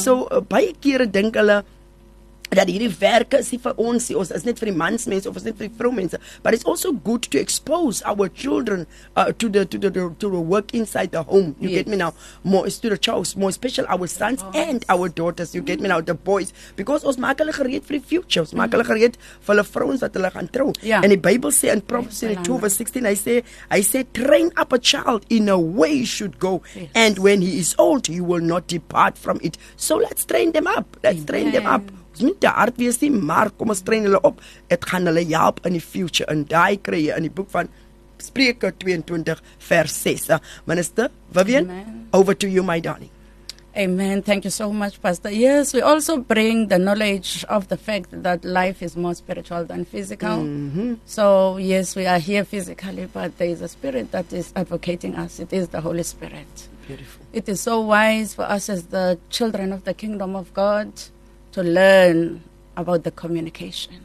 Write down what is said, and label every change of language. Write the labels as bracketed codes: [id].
[af] So, baie kere denk hulle, dat hierdie werk is nie vir ons, ons is net vir die mans mense, of is net vir die vrou mense. [en] But it's also good to expose our children to the work inside the home. You get me now? More to the child, more especially our sons and our daughters. You get me now? The boys. Because [af] ons maak hulle gereed vir die [en] future. [af] Ons maak hulle gereed vir hulle vrouens wat hulle gaan trou. [en] Yeah. And the Bible say in Proverbs 2 verse 16, I say, train up a child in a way he should go. Yes. And when he is old, he will not depart from it. So let's train them up. [af] Train them up. Niet te hard wees nie, maar kom ons train hulle op. Het gaan hulle help in die future. En daai kry jy in die boek van Spreuke 22 vers 6. [en] Minister Vivian, over to you, my darling. Amen. Thank you so much, Pastor. Yes, we also bring the knowledge of the fact that life is more spiritual than physical. Mm-hmm. So, yes, we are here physically, but there is a spirit that is advocating us. It is the Holy Spirit. Beautiful. It is so wise for us as the children of the kingdom of God to learn about the communication.